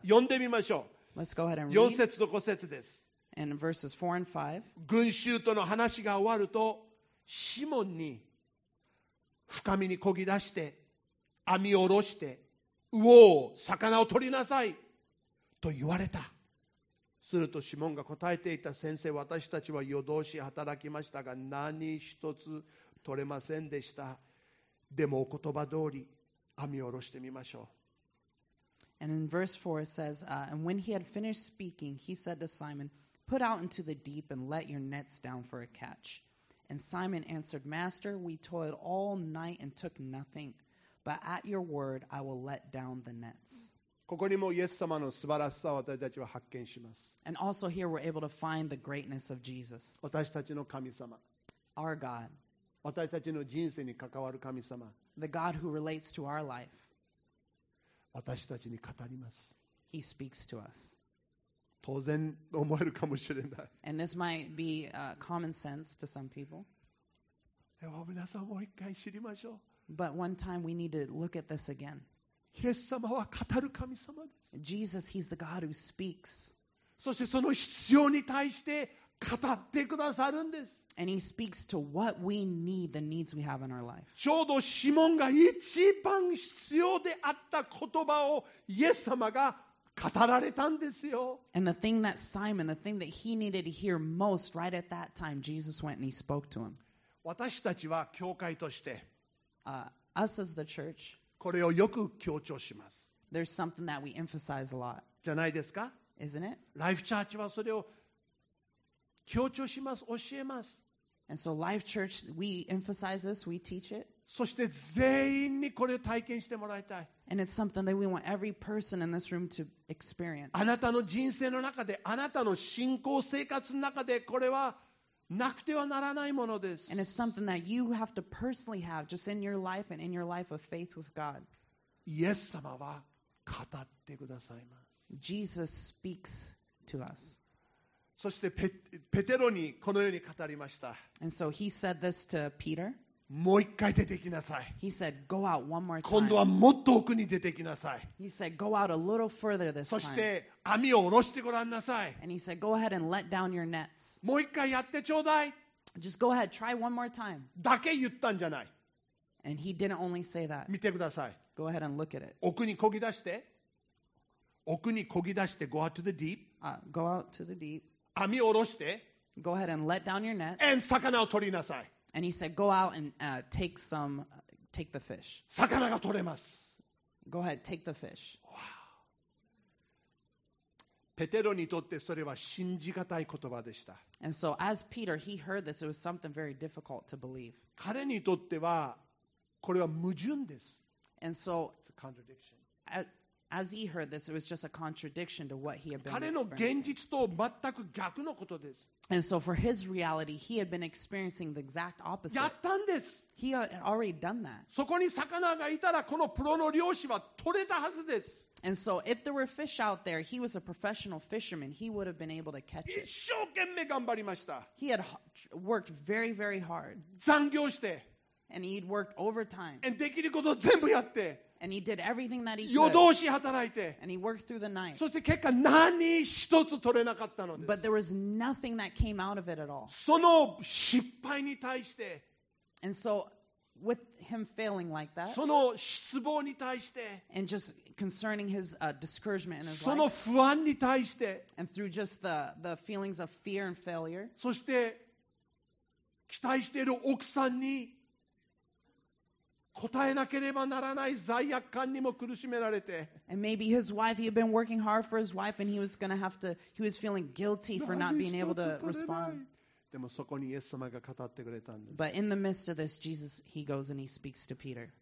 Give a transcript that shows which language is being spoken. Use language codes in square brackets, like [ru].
[ja] 読んでみましょう。 [en] Let's go ahead and read. [ja] 4節と5節です。 [en] And verses 4 and 5. [ja] 群衆との話が終わると、シモンに深みにこぎ出して、網を下ろして、魚を魚を取りなさい。と言われた。するとシモンが答えていた。先生、私たちは夜通し働きましたが何一つ取れませんでした。でもお言葉通り網を下ろしてみましょう。 [en] And in verse 4 it says, and when he had finished speaking, he said to Simon, put out into the deep and let your nets down for a catch. And Simon answered, Master, we toiled all night and took nothing, but at your word I will let down the nets. [ja] ここにもイエス様の素晴らしさを私たちは発見します。 [en] And also here we're able to find the greatness of Jesus. [ja] 私たちの神様。 [en] Our God. [ja] 私たちの人生に関わる神様。 [en] The God who relates to our life. [ja] 私たちに語ります。 [en] He speaks to us. [ja] 当然思えるかもしれない。 [en] And this might be common sense to some people. [ja] でも皆さんもう一回知りましょう。 [en] But one time we need to look at this again. [ja] イエス様は語る神様です。 [en] Jesus, he's the God who speaks. [ja] そしてその必要に対して語ってくださるんです。 [en] And he speaks to what we need, the needs we have in our life. [ja] ちょうどシモンが一番必要であった言葉をイエス様が語られたんですよ。 [en] And the thing that Simon, the thing that he needed to hear most right at that time, Jesus went and he spoke to him. [ja] 私たちは教会として、 [en] us as the church, [ja] これをよく強調します。 [en] There's something that we emphasize a lot. [ja] じゃないですか? [en] Isn't it? [ja] Life Church はそれを強調します、教えます。 [en] And so Life Church, we emphasize this, we teach it. [ja] そして全員にこれを体験してもらいたい。 [en] And it's something that we want every person in this room to experience. [ja] あなたの人生の中で、あなたの信仰生活の中で、これはなくてはならないものです。 [en] And it's something that you have to personally have just in your life and in your life of faith with God. [ja] イエス様は語ってくださいます。 [en] Jesus speaks to us. [ja] そしてペテロにこのように語りました。 [en] And so he said this to Peter. [ja] もう一回出てきなさい。 [en] He said, go out one more time. [ja] 今度はもっと奥に出てきなさい。 [en] He said, go out a little further this time. [ja] そして網を下ろしてごらんなさい。 [en] And he said, go ahead and let down your nets. [ja] もう一回やってちょうだい。 [en] Just go ahead, try one more time. [ja] だけ言ったんじゃない。 [en] And he didn't only say that. [ja] 見てください。 [en] Go ahead and look at it. [ja] 奥にこぎ出して。奥にこぎ出して、 [en] go out to the deep. Go out to the deep. [ja] 網を下ろして。 [en] Go ahead and let down your nets. [ja] And 魚を取りなさい。 [en] And he said, go out and take the fish. [ja] 魚が取れます。 [en] Go ahead, take the fish. Wow. [ja] ペテロにとってそれは信じがたい言葉でした。 [en] And so as Peter, he heard this, it was something very difficult to believe. [ja] 彼にとってはこれは矛盾です。 [en] And so, it's a contradiction. As he heard this, it was just a contradiction to what he had been experiencing. [ja] 彼の現実と全く逆のことです。 [en] And so for his reality, he had been experiencing the exact opposite. [ja] やったんです。 [en] He had already done that. [ja] そこに魚がいたらこのプロの漁師は取れたはずです。 [en] And so if there were fish out there, he was a professional fisherman. He would have been able to catch it. [ja] 一生懸命頑張りました。 [en] He had worked very, very hard. [ja] 残業して。 [en] And he'd worked overtime. [ja] And できること全部やって。 [en] And he did everything that he could. [ja] 夜通し働いて。 [en] And he worked through the night. [ja] そして結果何一つ取れなかったのです。 [en] But there was nothing that came out of it at all. [ja] その失敗に対して。 [en] And so with him failing like that. [ja] その失望に対して。 [en] And just concerning his discouragement in his life. [ja] その不安に対して。 [en] And through just the feelings of fear and failure. [ja] そして期待している奥さんに。答えなければならない罪悪感にも苦しめられて。 [en] And maybe his wife, he had been working hard for his wife, and he was going to have to, he was feeling guilty for not being able to respond. [ja] でもそこにイエス様が語ってくれたんです。 [en] But in the midst of this, Jesus, he goes and he speaks to Peter.